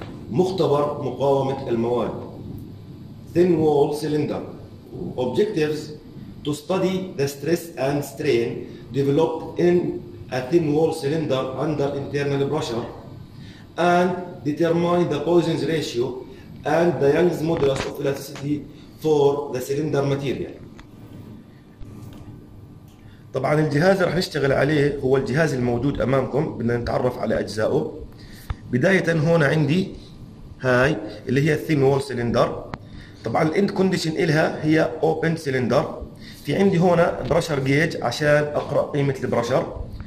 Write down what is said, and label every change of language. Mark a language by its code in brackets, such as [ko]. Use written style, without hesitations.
[ar] مختبر مقاومة المواد Thin Wall Cylinder. [en] Objectives: to study the stress and strain developed in a thin wall cylinder under internal pressure and determine the Poisson's ratio and the Young's modulus of elasticity for the cylinder material. [ar] طبعا الجهاز اللي رح نشتغل عليه هو الجهاز الموجود امامكم. بدنا نتعرف على اجزائه. بداية هون عندي هاي اللي هي thin wall cylinder. طبعا الاند كونديشن الها هي open cylinder. في عندي هون برشر جيج عشان اقرأ قيمة البرشر.